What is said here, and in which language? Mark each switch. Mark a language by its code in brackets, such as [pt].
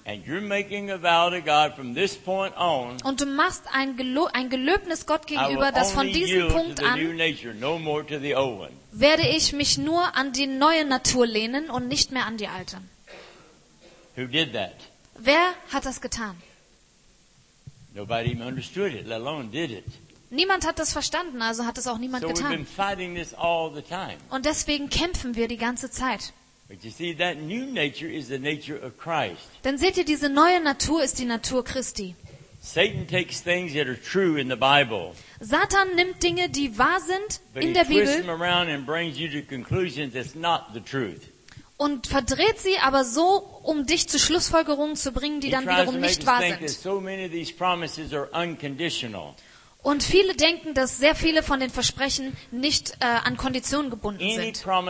[de] Und du machst ein Gelöbnis Gott gegenüber, dass von diesem Punkt an werde ich mich nur an die neue Natur lehnen und nicht mehr an die alte. Wer hat das getan? [en] Nobody understood it, let alone did it. [de] Niemand hat das verstanden, also hat es auch niemand getan. [en] So we've been fighting this all the time. [de] Und deswegen kämpfen wir die ganze Zeit. [en] But you see, that new nature is the nature of Christ. [de] Dann seht ihr, diese neue Natur ist die Natur Christi. [en] Satan takes things that are true in the Bible. [de] Satan nimmt Dinge, die wahr sind, in der Bibel. [en] But he twists them around and brings you to conclusions that's not the truth. [de] Und verdreht sie aber so, um dich zu Schlussfolgerungen zu bringen, die dann wiederum nicht wahr sind. Und viele denken, dass sehr viele von den Versprechen nicht an Konditionen gebunden sind.